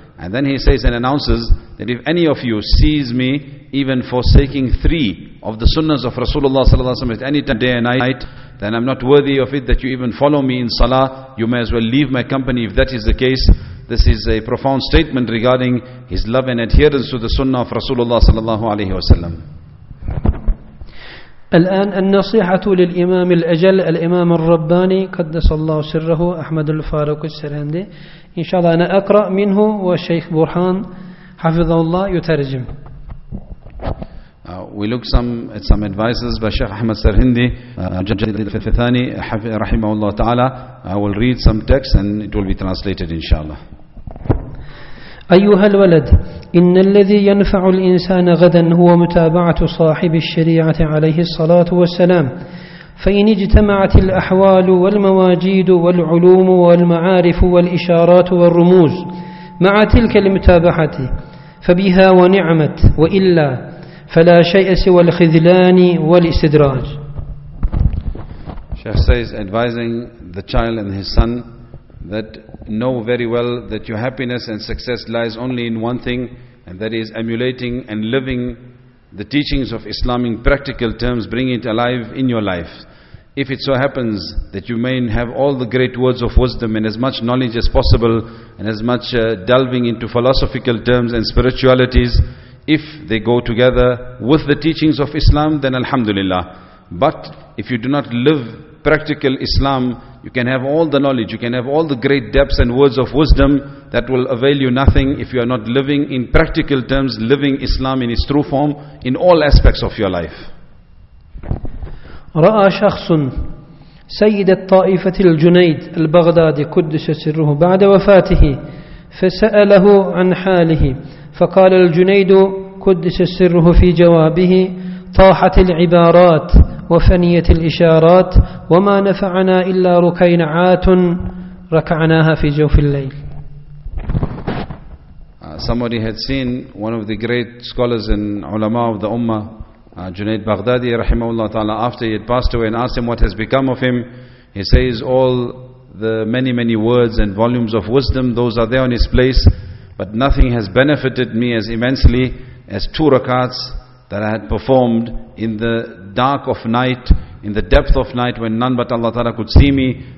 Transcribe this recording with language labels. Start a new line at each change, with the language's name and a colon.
English: And then he says and announces that if any of you sees me even forsaking 3 of the sunnahs of Rasulullah sallallahu alaihi wasallam at any time, day and night, then I'm not worthy of it that you even follow me in salah. You may as well leave my company if that is the case. This is a profound statement regarding his love and adherence to the sunnah of Rasulullah sallallahu alaihi wasallam.
Arabic: الآن النصيحة للإمام الأجل الإمام الرباني قدس الله سره أحمد الفاروق السرهندي إن شاء الله أنا أقرأ منه والشيخ برهان حفظه الله يترجم.
English: We look some advices by Sheikh Ahmed Sarhindi, Jadid al-Fithani, rahimahullah ta'ala. I will read some text and it will be translated inshallah.
Arabic: أيها الولد إن الذي ينفع الإنسان غدا هو متابعة صاحب الشريعة عليه الصلاة والسلام فإن اجتمعت الأحوال والمواجيد والعلوم والمعارف والإشارات والرموز مع تلك المتابعة فبها ونعمت وإلا فلا شيء سوى الخذلان والاستدراج.
English: Sheikh says advising the child and his son that know very well that your happiness and success lies only in one thing, and that is emulating and living the teachings of Islam in practical terms, bringing it alive in your life. If it so happens that you may have all the great words of wisdom and as much knowledge as possible and as much delving into philosophical terms and spiritualities, if they go together with the teachings of Islam, then alhamdulillah. But if you do not live practical Islam, you can have all the knowledge, you can have all the great depths and words of wisdom, that will avail you nothing if you are not living in practical terms, living Islam in its true form in all aspects of your life.
Arabic: رأى شخص سيد الطائفة الجنيد البغدادي قدس سره بعد وفاته فسأله عن حاله فقال الجنيد قدس سره في جوابه طاحت العبارات وفنيت الإشارات وما نفعنا إلا ركينعات ركعناها في جوف الليل.
English: Somebody had seen one of the great scholars and ulama of the ummah, Junaid Baghdadi rahimahullah ta'ala, after he had passed away, and asked him what has become of him. He says all the many words and volumes of wisdom, those are there on his place, but nothing has benefited me as immensely as two rakats that I had performed in the dark of night, in the depth of night when none but Allah Ta'ala could see me.